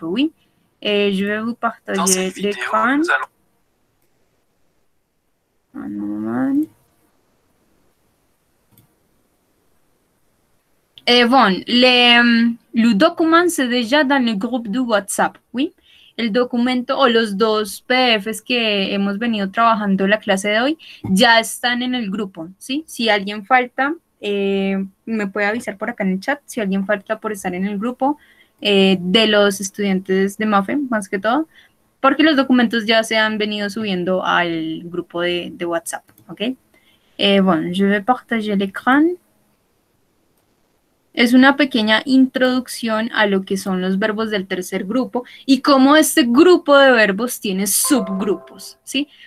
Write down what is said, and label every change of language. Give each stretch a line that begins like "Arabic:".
French: Oui, et je vais vous Dans cette partager vidéo, l'écran. nous allons... Un moment. Et bon, le document, c'est déjà dans le groupe de WhatsApp, oui.
Spanish: El documento o los dos PDFs que hemos venido trabajando la clase de hoy ya están en el grupo, ¿sí? Si alguien falta, me puede avisar por acá en el chat, si alguien falta por estar en el grupo de los estudiantes de MAFE, más que todo, porque los documentos ya se han venido subiendo al grupo de WhatsApp, ¿ok? Bueno,
French: je vais partager l'écran.
Spanish: Es una pequeña introducción a lo que son los verbos del tercer grupo y cómo este grupo de verbos tiene subgrupos, ¿sí?